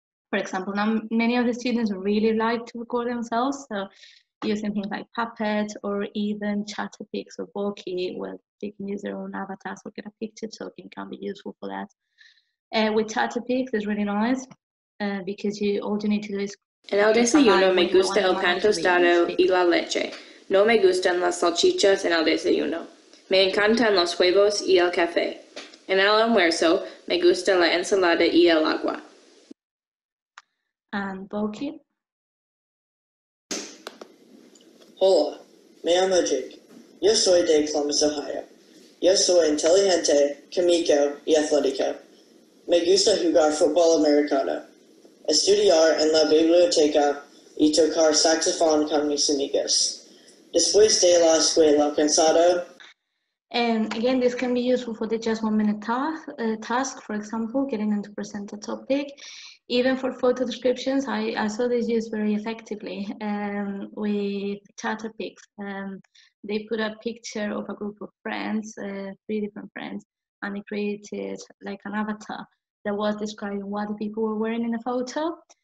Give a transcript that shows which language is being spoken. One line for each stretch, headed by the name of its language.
English: For example, now many of the students really like to record themselves, so using things like puppets or even chatterpics or Boki, where they can use their own avatars or get a picture token, can be useful for that. With chatterpics, it's really nice because all you need to do is...
Spanish: En el desayuno me gusta el pan tostado y la leche. No me gustan las salchichas en el desayuno. Me encantan los huevos y el café. En el almuerzo me gusta la ensalada y el agua.
English: And Boki?
Spanish: Hola, me llamo Jake. Yo soy de Columbus, Ohio. Yo soy inteligente, cómico y atlético. Me gusta jugar fútbol americano, estudiar en la biblioteca y tocar saxofón con mis amigos. Después de la escuela, cansado.
English: Again, this can be useful for the just 1 minute task, for example, getting them to present a topic. Even for photo descriptions, I saw this used very effectively with chatterpics. They put a picture of a group of friends, three different friends, and they created like an avatar that was describing what the people were wearing in the photo.